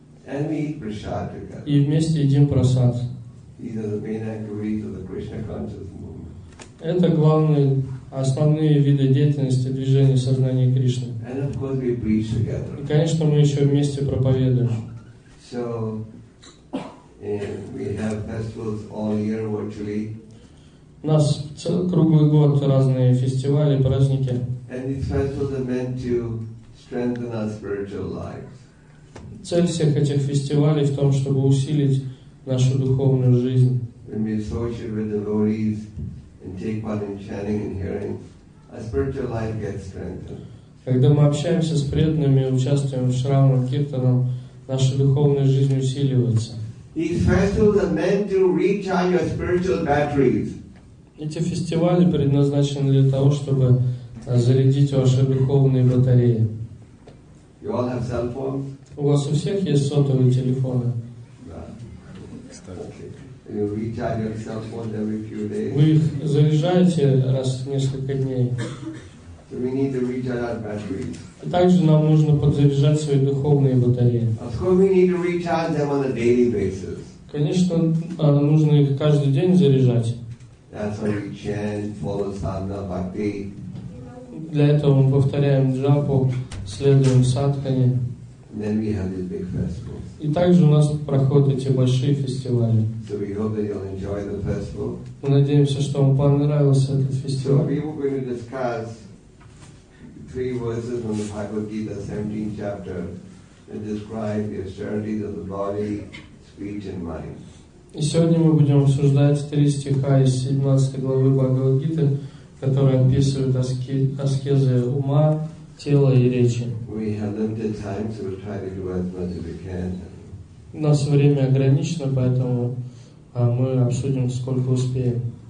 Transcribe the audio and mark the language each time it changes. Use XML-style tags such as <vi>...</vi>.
<en>And we eat prasad together.</en> <ru>И вместе едим прасад.</ru> <en>These are the main activities of the Krishna conscious movement.</en> <ru>Это главные основные виды деятельности движения сознания Кришны.</ru> <en>And of course we preach together.</en> <ru>И, конечно, мы еще вместе проповедуем.</ru> <en>So, we have festivals all year virtually.</en> <ru>У нас целый круглый год разные фестивали, праздники.</ru> <en>And these festivals are meant to strengthen our spiritual lives.</en> <ru>Цель всех этих фестивалей в том, чтобы усилить нашу духовную жизнь.</ru> <en>When we associate with devotees and take part in chanting and hearing, our spiritual life gets strengthened.</en> <ru>Когда мы общаемся с преданными, участвуем в Шраванам Киртанам, наша духовная жизнь усиливается.</ru> <en>These festivals are meant to recharge your spiritual batteries.</en> <ru>Эти фестивали предназначены для того, чтобы зарядить ваши духовные батареи.</ru> <en>You all have cell phones?</en> <ru>У вас у всех есть сотовые телефоны?</ru> <en>You recharge your cell phones every few days.</en> <ru>Вы их заряжаете раз в несколько дней.</ru> <en>So we need to recharge our batteries.</en> <ru>Также нам нужно подзаряжать свои духовные батареи.</ru> <en>Of course, we need to recharge them on a daily basis.</en> <ru>Конечно, нужно их каждый день заряжать.</ru> <en>That's why we chant, follow sadhana, bhakti.</en> <ru>Для этого мы повторяем джапу, следуем садхане.</ru> <en>then we have these big festivals.</en> <ru>И также у нас проходят эти большие фестивали.</ru> <en>So we hope that you'll enjoy the festival.</en> <ru>Мы надеемся, что вам понравился этот фестиваль.</ru> <en>So we were going to discuss three verses from the Bhagavad Gita, 17th chapter, that describe the austerities of the body, speech, and mind.</en> <ru>И сегодня мы будем обсуждать три стиха из 17 главы Бхагавад-гиты, которые описывают аскезы ума, тела и речи. У нас время ограничено, поэтому мы обсудим, сколько успеем.</ru>